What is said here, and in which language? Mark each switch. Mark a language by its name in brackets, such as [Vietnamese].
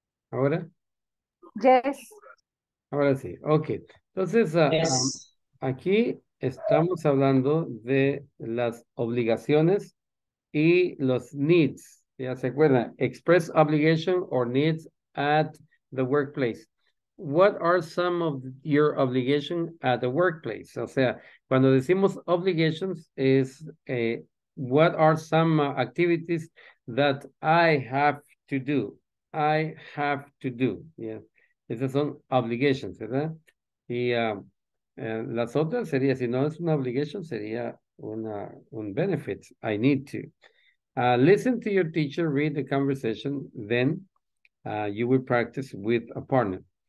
[Spanish] ¿Ahora? [English] Yes. [Spanish] Ahora sí, ok. Entonces, aquí estamos hablando de las obligaciones y los needs. ¿Ya se acuerdan? [English] Express obligation or needs at the workplace. What are some of your obligations at the workplace? [Spanish] O sea, cuando decimos [English] obligations es what are some activities that I have to do? I have to do. Yeah. [Spanish] Esas son obligations, ¿verdad? Y las otras sería, si no es una obligation, sería un benefit. [English] I need to. Listen to your teacher, read the conversation, then you will practice with a partner.